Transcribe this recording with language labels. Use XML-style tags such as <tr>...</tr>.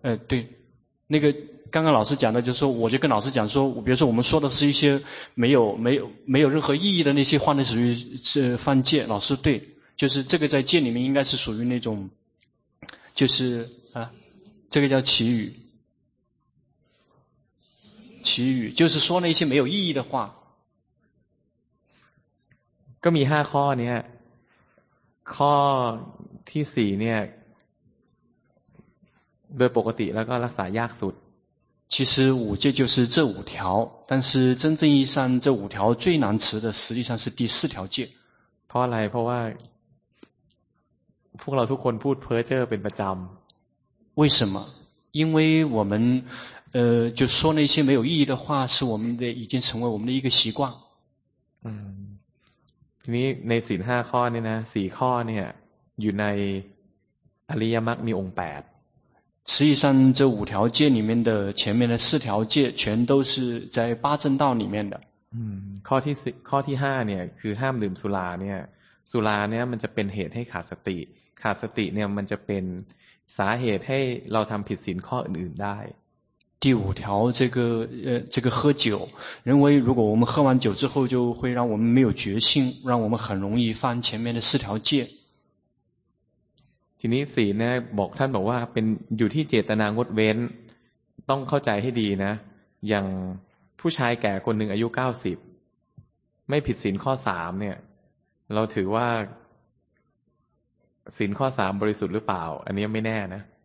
<zh>对那个刚刚老师讲的就是说我就跟老师讲说比如说我们说的是一些没有任何意义的那些话那属于是犯戒老师对就是这个在戒里面应该是属于那种就是啊这个叫绮语就是说那些没有意义的话</zh> <th>ก็มีห้าข้อเนี่ยข้อที่สี่เนี่ยโดยปกติแล้วก็รักษายากสุด</th> <zh>其实五戒就是这五条但是真正意义上这五条最难持的实际上是第四条戒</zh> <th>เพราะอะไรเพราะว่าพวกเราทุกคนพูดเพ้อเจ้อเป็นประจำ</th> <zh>为什么因为我们就说那些没有意义的话是我们的已经成为我们的一个习惯</zh> <th>นี่ในศีล5ข้อนี่นะ4ข้อเนี่ยอยู่ในอริยมรรคมีองค์8</th> <zh>实际上这五条戒里面的前面的四条戒全都是在八正道里面的</zh> <th>ข้อที่5เนี่ยคือห้ามดื่มสุราเนี่ยสุราเนี่ยมันจะเป็นเหตุให้ขาดสติขาดสติเนี่ยมันจะเป็นสาเหตุให้เราทําผิดศีลข้ออื่นๆได้</th> <zh>第五条这个喝酒认为如果我们喝完酒之后就会让我们没有决心让我们很容易犯前面的四条戒</zh> <th>ทีนี้ศีลเนี่ยบอกท่านบอกว่าเป็นอยู่ที่เจตนางดเว้นต้องเข้าใจให้ดีนะอย่างผู้ชายแก่คนหนึ่งอายุ90ไม่ผิดศีลข้อ3เนี่ยเราถือว่าศีลข้อ3บริสุทธิ์หรือเปล่าอันนี้ไม่แน่นะ</th>